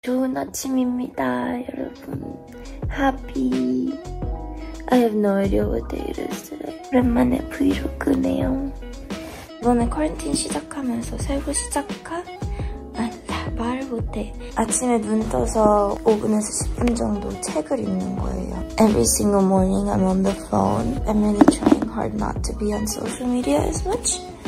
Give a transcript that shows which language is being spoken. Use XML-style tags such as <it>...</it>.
<ko>좋은 아침입니다, 여러분.</ko> <en>Happy. I have no idea what day it is today.</en> <ko>오랜만에 브이로그네요. 이번에 퀄린틴 시작하면서 새로 시작한? 아니다, 말 못해. 아침에 눈 떠서 5분에서 10분 정도 책을 읽는 거예요.</ko> <en>Every single morning I'm on the phone. I'm really trying hard not to be on social media as much.</en>